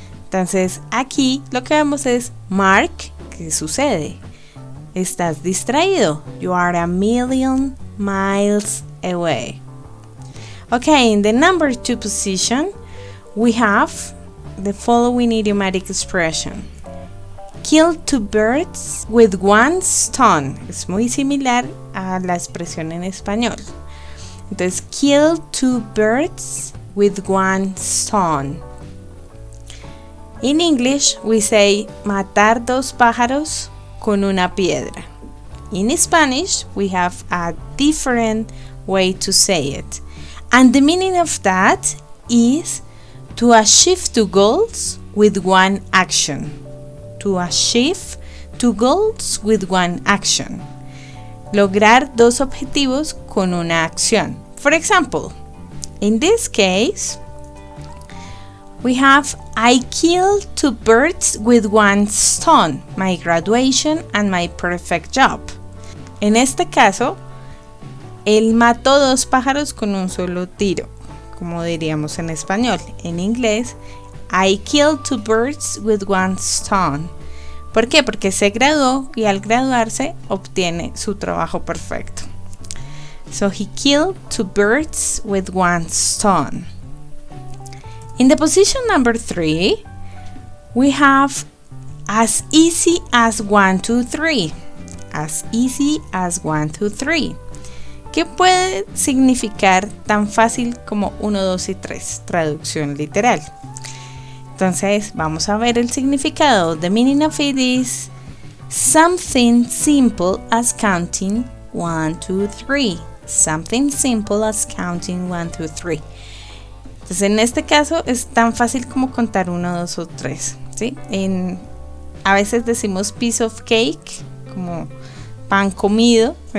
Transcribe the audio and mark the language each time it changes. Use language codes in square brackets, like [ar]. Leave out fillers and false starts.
[es] Entonces, aquí lo que vemos es Mark. ¿Qué sucede? Estás distraído. [en] You are a million miles away. Okay, in the number two position, we have the following idiomatic expression. Kill two birds with one stone. [es] Es muy similar a la expresión en español. Entonces, [en] kill two birds with one stone. In English, we say [es] matar dos pájaros con una piedra. [en] In Spanish, we have a different way to say it. And the meaning of that is to achieve two goals with one action. To achieve two goals with one action. [es] Lograr dos objetivos con una acción. [en] For example, in this case, we have, I killed two birds with one stone, my graduation and my perfect job. [es] En este caso, él mató dos pájaros con un solo tiro, como diríamos en español. En inglés, [en] I killed two birds with one stone. [es] ¿Por qué? Porque se graduó y al graduarse obtiene su trabajo perfecto. [en] So he killed two birds with one stone. In the position number three, we have as easy as 1, 2, 3. As easy as 1, 2, 3. [es] ¿Qué puede significar tan fácil como 1, 2 y 3? Traducción literal. Entonces, vamos a ver el significado. [en] The meaning of it is something simple as counting 1, 2, 3. Something simple as counting 1, 2, 3. [es] Entonces, en este caso, es tan fácil como contar 1, 2 o 3, ¿sí? A veces decimos [en] piece of cake, [es] como pan comido.